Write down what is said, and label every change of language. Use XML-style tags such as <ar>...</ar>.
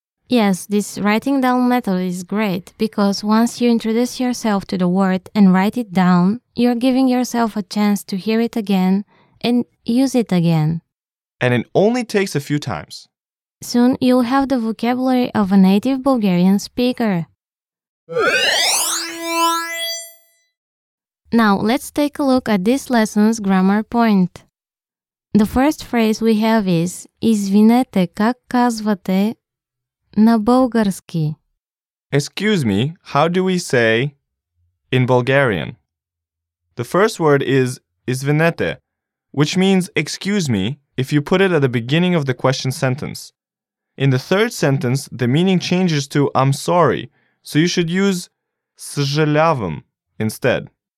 <en>Yes, this writing down method is great because once you introduce yourself to the word and write it down, you're giving yourself a chance to hear it again and use it again. And it only takes a few times. Soon you'll have the vocabulary of a native Bulgarian speaker. Now, let's take a look at this lesson's grammar point. The first phrase we have is</en> <bg>Извинете, как казвате на български?</bg> <en>Excuse me, how do we say in Bulgarian? The first word is Извинете, which means excuse me if you put it at the beginning of the question sentence. In the third sentence, the meaning changes to I'm sorry, so you should use Съжалявам instead.</en>